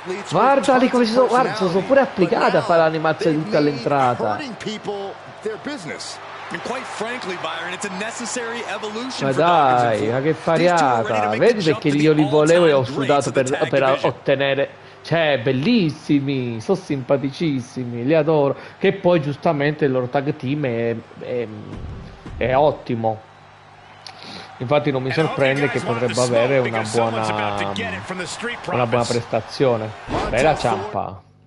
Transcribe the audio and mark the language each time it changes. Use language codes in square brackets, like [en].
[it] Guardali come si sono, guarda, sono pure applicati a fare l'animazione di tutta all'entrata. [en] And quite frankly, Byron, it's a necessary evolution. [it] Ma dai, ma che fariata. Vedi perché io li volevo e ho sudato per ottenere. Cioè, bellissimi, sono simpaticissimi, li adoro. Che poi giustamente il loro tag team è ottimo. Infatti non mi sorprende che potrebbe avere una buona prestazione. Bella ciampa.